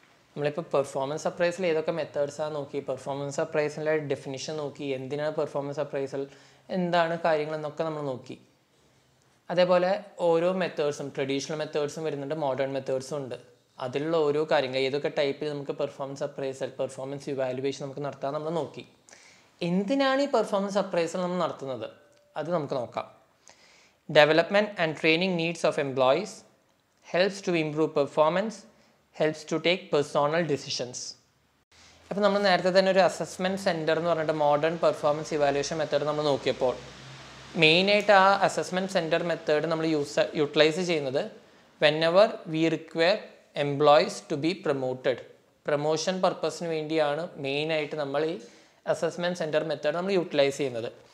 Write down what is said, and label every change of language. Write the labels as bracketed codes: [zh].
[ml] നമ്മളിപ്പോൾ performance appraisal ഏതൊക്കെ മെത്തേഡ്സാണ് നോക്കി, പെർഫോമൻസ് അപ്രൈസലിൻ്റെ ഡെഫിനിഷൻ നോക്കി, എന്തിനാണ് പെർഫോമൻസ് അപ്രൈസൽ, എന്താണ് കാര്യങ്ങളെന്നൊക്കെ നമ്മൾ നോക്കി. അതേപോലെ ഓരോ മെത്തേഡ്സും ട്രഡീഷണൽ മെത്തേഡ്സും വരുന്നുണ്ട്, മോഡേൺ മെത്തേഡ്സും ഉണ്ട്. അതിലുള്ള ഓരോ കാര്യങ്ങൾ ഏതൊക്കെ ടൈപ്പിൽ നമുക്ക് പെർഫോമൻസ് അപ്രൈസൽ, പെർഫോമൻസ് ഇവാലുവേഷൻ നമുക്ക് നടത്താൻ നമ്മൾ നോക്കി. എന്തിനാണ് ഈ പെർഫോമൻസ് അപ്രൈസൽ നമ്മൾ നടത്തുന്നത് അത് നമുക്ക് നോക്കാം. [en] Development and training needs of employees helps to improve performance, helps to take personal decisions. [ml] ഇപ്പോൾ നമ്മൾ നേരത്തെ തന്നെ ഒരു അസസ്മെൻറ്റ് സെൻറ്റർ എന്ന് പറഞ്ഞിട്ട് മോഡേൺ പെർഫോമൻസ് ഇവാലുവേഷൻ മെത്തേഡ് നമ്മൾ നോക്കിയപ്പോൾ മെയിനായിട്ട് ആ അസസ്മെൻറ്റ് സെൻറ്റർ മെത്തേഡ് നമ്മൾ യൂട്ടിലൈസ് ചെയ്യുന്നത് [en] Whenever we require employees to be promoted. [ml] Promotion പർപ്പസിന് വേണ്ടിയാണ് മെയിനായിട്ട് നമ്മൾ ഈ അസസ്മെൻറ്റ് സെൻറ്റർ മെത്തേഡ് നമ്മൾ യൂട്ടിലൈസ് ചെയ്യുന്നത്.